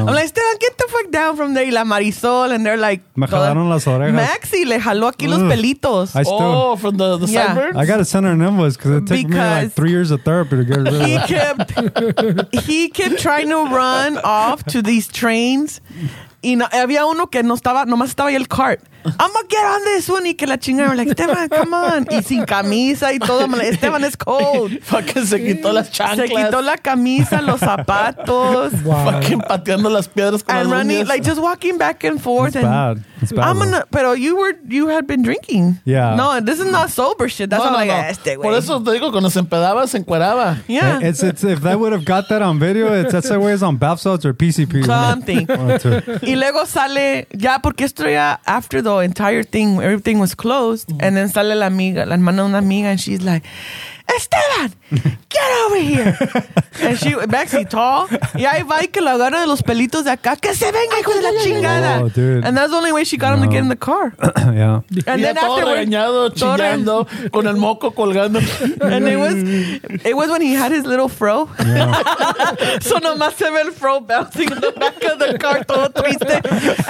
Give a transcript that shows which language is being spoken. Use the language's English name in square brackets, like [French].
[English] I'm like, Esteban, get the fuck down from there. [Spanish] Y la Marisol, [English] and they're like... [Spanish] Me jalaron las orejas. Maxi le jaló aquí los pelitos. [English] From the sideburns? I got to send her an invoice because it took me like 3 years of therapy to get rid of that. He kept trying to run off to these trains. [Spanish] Y no, había uno que no estaba, nomás estaba ahí el cart. [English] I'm gonna get on this one. [Spanish] Y que la chingada. [English] We're like, Esteban, come on. [Spanish] Y sin camisa y todo. [English] Like, Esteban, it's cold. [Spanish] Fucking se quitó las chanclas. Se quitó la camisa, los zapatos. Wow. Fucking pateando las piedras con [English] and [Spanish] las [English] running, [Spanish] uñas. [English] Like, just walking back and forth. It's and bad. It's bad. You had been drinking. Yeah. No, this is not sober shit. That's what I'm like, [Spanish] este güey. Por eso te digo, cuando se empedaba, se encueraba. [English] Yeah. It's if that would have got that on video, that's the way it's on bath salts or PCP. Something. [Spanish] Y luego sale, ya, porque esto ya, [English] after the entire thing, everything was closed, mm-hmm. And then [Spanish] sale la amiga, la hermana de una amiga, [English] and she's like, Esteban, get over here. And she, Maxi, tall. [Spanish] Y ahí va y que lo agarra de los pelitos de acá. Que se venga, hijo de la chingada. [English] Oh, dude. And that's the only way she got him to get in the car. Yeah. And then after [Spanish] todo regañado, chillando, con el moco colgando. [English] And it was when he had his little fro. Yeah. So [Spanish] nomás se ve el [English] fro bouncing in the back of the car, [Spanish] todo triste.